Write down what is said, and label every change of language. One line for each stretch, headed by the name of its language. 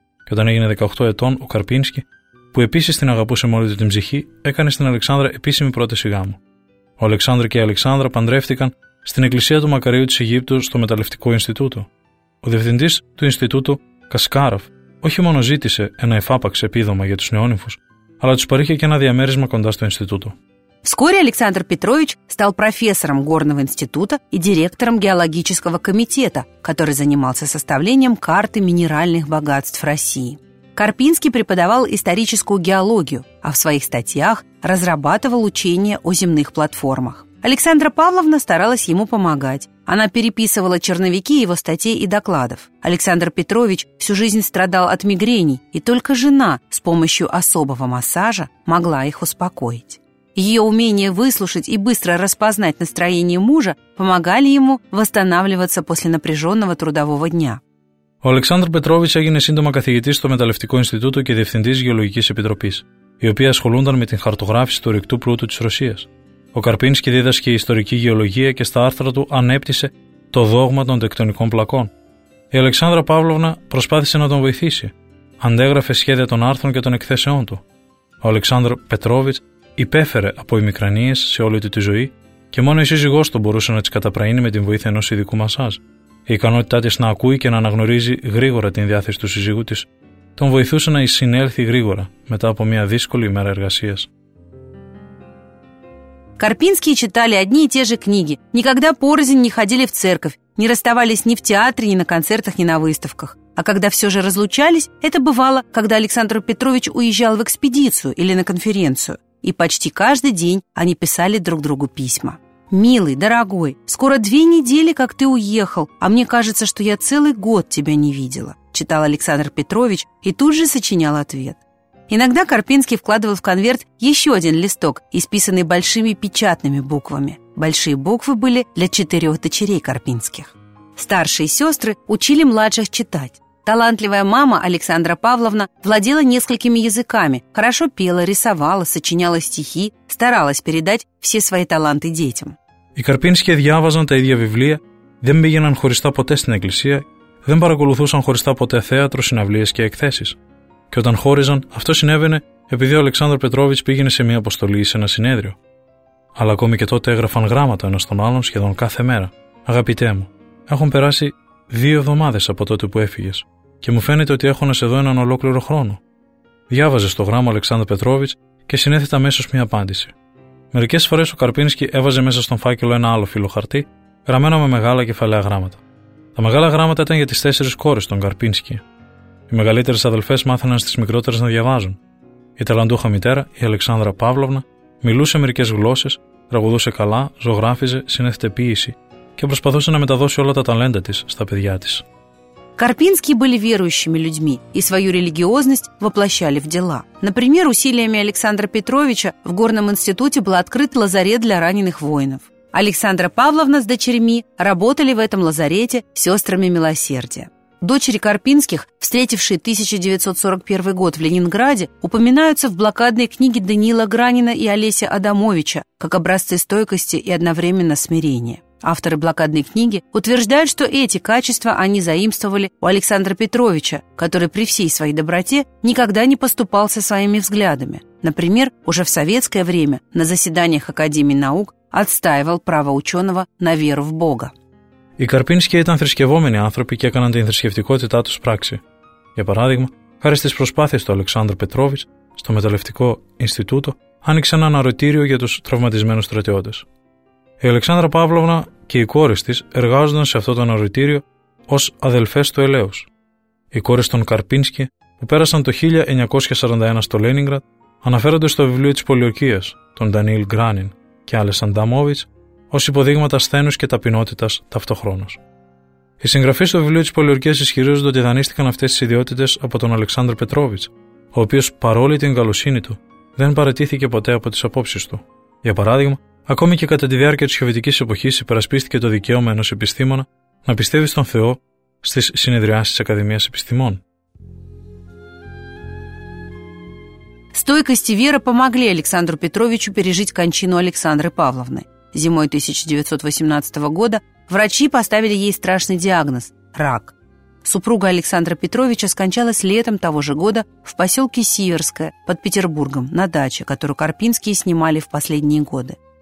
Greek: Και όταν έγινε 18 ετών, ο Καρπίνσκι, που επίσης την αγαπούσε με όλη του την ψυχή, έκανε στην Αλεξάνδρα επίσημη πρόταση γάμου. Ο Αλεξάνδρ και η Αλεξάνδρα παντρεύτηκαν στην εκκλησία του Μακαρίου της Αιγύπτου στο Μεταλλευτικό Ινστιτούτο. Ο διευθυντής του Ινστιτούτου, Κασκάραφ, όχι μόνο ζήτησε ένα εφάπαξ επίδομα για τους νεόνυμφους, αλλά τους παρήχε και ένα διαμέρισμα κοντά στο Ινστιτούτο.
Russian: Вскоре Александр Петрович стал профессором Горного института и директором геологического комитета, который занимался составлением карты минеральных богатств России. Карпинский преподавал историческую геологию, а в своих статьях разрабатывал учения о земных платформах. Александра Павловна старалась ему помогать. Она переписывала черновики его статей и докладов. Александр Петрович всю жизнь страдал от мигрений, и только жена с помощью особого массажа могла их успокоить. Ее умение выслушать и быстро распознать настроение мужа помогали ему восстанавливаться после напряженного трудового дня.
Greek: Ο Александр Петрович έγινε σύντομα καθηγητής στο Μεταλλευτικό Ινστιτούτο και διευθυντής Γεωλογικής Επιτροπής, η οποία ασχολούνταν με την χαρτογράφηση του ορυκτού πλούτου της Ρωσίας. Ο Καρπίνσκι δίδασκε ιστορική γεωλογία και στα άρθρα του ανέπτυσε το δόγμα των τεκτονικών πλακών. Η Αλεξάνδρα Παύλωνα προσπάθησε να τον βοηθήσει. Αντέγραφε σχέδια των άρθρων και των εκθέσεών του. Ο Αλεξάνδρ Πετρόβιτς υπέφερε από ημικρανίες σε όλη του τη ζωή και μόνο η σύζυγός του μπορούσε να τις καταπραίνει με την βοήθεια ενός ειδικού μασάζ. Η ικανότητά της να ακούει και να αναγνωρίζει γρήγορα την διάθεση του σύζυγού της τον βοηθούσε να εισυνέλθει γρήγορα μετά από μια δύσκολη ημέρα εργασίας.
Russian: Карпинские читали одни и те же книги, никогда порознь не ходили в церковь, не расставались ни в театре, ни на концертах, ни на выставках. А когда все же разлучались, это бывало, когда Александр Петрович уезжал в экспедицию или на конференцию. И почти каждый день они писали друг другу письма. «Милый, дорогой, скоро 2 недели, как ты уехал, а мне кажется, что я целый год тебя не видела», читал Александр Петрович и тут же сочинял ответ. Иногда Карпинский вкладывал в конверт еще один листок, исписанный большими печатными буквами. Большие буквы были для 4 дочерей Карпинских. Старшие сестры учили младших читать. Талантливая мама Александра Павловна владела несколькими языками, хорошо пела, рисовала, сочиняла стихи, старалась передать все свои таланты детям.
Greek: Οι Καρπίνσκοι διάβαζαν τα ίδια βιβλία, δεν πήγαιναν χωριστά ποτέ στην εκκλησία, δεν παρακολουθούσαν χωριστά ποτέ θέατρο, συναυλίες και εκθέσεις. Και όταν χώριζαν, αυτό συνέβαινε επειδή ο Αλεξάνδρ Πετρόβιτς πήγαινε σε μια αποστολή ή σε ένα συνέδριο. Αλλά ακόμη και τότε έγραφαν γράμματα ένας τον άλλον σχεδόν κάθε μέρα. Αγαπητέ μου, έχουν περάσει 2 εβδομάδες από τότε που έφυγες και μου φαίνεται ότι έχω να σε δω έναν ολόκληρο χρόνο. Διάβαζες το γράμμα Αλεξάνδρ Πετρόβιτς και συνέθετα αμέσως μια απάντηση. Μερικές φορές ο Καρπίνσκι έβαζε μέσα στον φάκελο ένα άλλο φύλλο χαρτί, γραμμένο με μεγάλα κεφαλαία γράμματα. Τα μεγάλα γράμματα ήταν για τις 4 κόρες των Καρπίνσκι. Οι μεγαλύτερες αδελφές μάθαιναν στις μικρότερες να διαβάζουν. Η ταλαντούχα μητέρα, η Αλεξάνδρα Παύλοβνα, μιλούσε μερικές γλώσσες, τραγουδούσε καλά, ζωγράφιζε, συνέθετε ποίηση και προσπαθούσε να μεταδώσει όλα τα ταλέντα της στα παιδιά της.
Russian: Карпинские были верующими людьми и свою религиозность воплощали в дела. Например, усилиями Александра Петровича в Горном институте был открыт лазарет для раненых воинов. Александра Павловна с дочерьми работали в этом лазарете сестрами милосердия. Дочери Карпинских, встретившие 1941 год в Ленинграде, упоминаются в блокадной книге Даниила Гранина и Олеся Адамовича как образцы стойкости и одновременно смирения. Авторы блокадной книги утверждают, что эти качества они заимствовали у Александра Петровича, который при всей своей доброте никогда не поступал со своими взглядами. Например, уже в советское время на заседаниях Академии наук отстаивал право ученого на веру в Бога.
Greek: Οι Καρπίνσκοι ήταν θρησκευόμενοι άνθρωποι και έκαναν την θρησκευτικότητά τους πράξη. Για παράδειγμα, χάρη στις προσπάθειες του Αλεξάνδρου Πετρόβιτς, στο Μεταλλευτικό Ινστιτούτο άνοιξε ένα αναρωτήριο για τους τραυματισμένους στρατιώτες. Η Αλεξάνδρα Παύλοβνα και οι κόρες της εργάζονταν σε αυτό το αναρωτήριο ως αδελφές του ελαίους. Οι κόρες των Καρπίνσκι, που πέρασαν το 1941 στο Λένιγκραντ, αναφέρονται στο βιβλίο της Πολιορκίας των Ντανίλ Γκράνιν και Άλες Αντάμοβιτς ως υποδείγματα σθένους και ταπεινότητας ταυτοχρόνως. Οι συγγραφείς στο βιβλίο της Πολιορκίας ισχυρίζονται ότι δανείστηκαν αυτές τις ιδιότητες από τον Αλεξάνδρο Πετρόβιτς, ο οποίος παρόλη την καλοσύνη του δεν παραιτήθηκε ποτέ από τις απόψεις του. Για παράδειγμα, ακόμη και κατά τη διάρκεια της σοβιετικής εποχής υπερασπίστηκε το δικαίωμα ενός επιστήμονα να πιστεύει στον Θεό στις συνεδριάσεις της Ακαδημίας Επιστημών.
Russian: Стойкость и вера помогли Александру Петровичу пережить кончину Александры Павловны. Зимой 1918 года врачи поставили ей страшный диагноз – рак. Супруга Александра Петровича скончалась летом того же года в поселке Сиверское под Петербургом на даче, которую Карпинские снимали в последние годы.